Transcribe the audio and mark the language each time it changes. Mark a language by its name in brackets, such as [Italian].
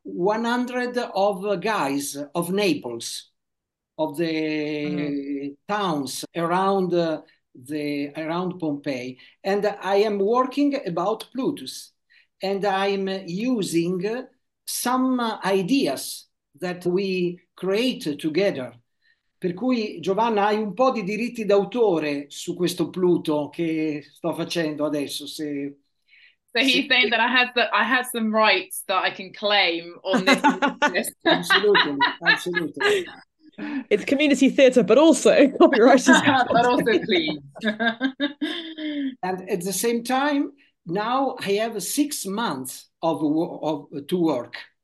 [English] 100 of guys of Naples, of the towns around around Pompeii, and I am working about Plutus, and I'm using some ideas that we create together. [Italian] Per cui, Giovanna, hai un po' di diritti d'autore su questo Pluto che sto facendo adesso. [English] He's saying that I have some rights that I can claim on this. Absolutely, absolutely. It's community theatre, but also copyright. But also, please. And at the same time, now I have 6 months of to work.